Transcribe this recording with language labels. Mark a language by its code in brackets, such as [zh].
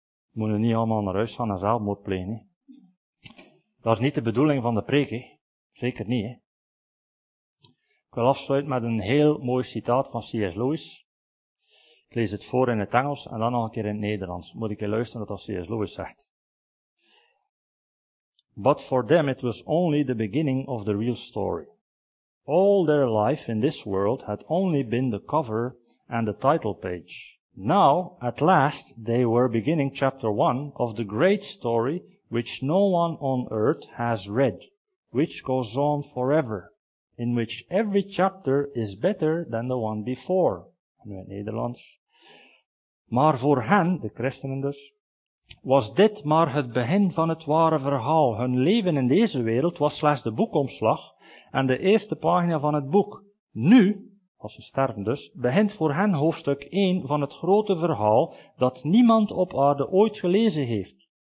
[nl] We moeten niet allemaal naar huis gaan en zelfmoord plegen, hè? Dat is niet de bedoeling van de preek, hè? Zeker niet, hè? Ik wil afsluiten met een heel mooi citaat van C.S. Lewis. Ik lees het voor in het Engels en dan nog een keer in het Nederlands. Moet ik je luisteren wat C.S. Lewis zegt. [en] But for them it was only the beginning of the real story. All their life in this world had only been the cover and the title page. Now, at last, they were beginning chapter 1 of the great story which no one on earth has read, which goes on forever. In which every chapter is better than the one before. [nl] Nu in het Nederlands. Maar voor hen, de christenen dus, was dit maar het begin van het ware verhaal. Hun leven in deze wereld was slechts de boekomslag en de eerste pagina van het boek. Nu, als ze sterven dus, begint voor hen hoofdstuk 1 van het grote verhaal dat niemand op aarde ooit gelezen heeft.